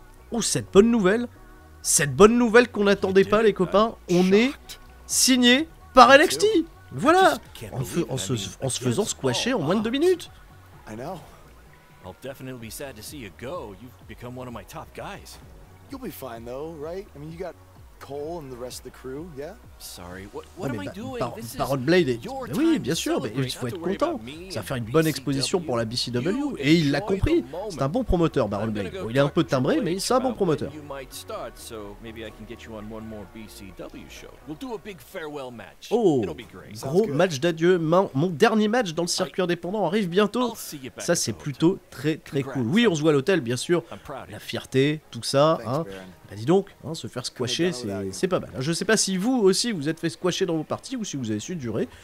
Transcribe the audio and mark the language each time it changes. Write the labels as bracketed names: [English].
[French] Oh, cette bonne nouvelle. Cette bonne nouvelle qu'on n'attendait pas, les copains. On est signé par NXT. Voilà. En se faisant squasher en moins de deux minutes. [English] I know. I'll definitely be sad to see you go. You've become one of my top guys. You'll be fine though, right? I mean, you got Cole and the rest of the crew, yeah? Sorry. What am I doing? This is Baron Blade. [French] Oui, bien sûr, mais il faut être content. Ça fait une bonne exposition pour la BCW et il l'a compris. C'est un bon promoteur, Baron Blade. Il est un peu timbré, mais c'est un bon promoteur. [English] You might start, so maybe I can get you on one more BCW show. We'll do a big farewell match. [French] Oh, gros match d'adieu. Mon dernier match dans le circuit indépendant arrive bientôt. Ça, c'est plutôt très très cool. Oui, on se voit à l'hôtel, bien sûr. La fierté, tout ça, hein. Ben dis donc, hein, se faire squasher, c'est pas mal. Je sais pas si vous aussi vous êtes fait squasher dans vos parties ou si vous avez su durer.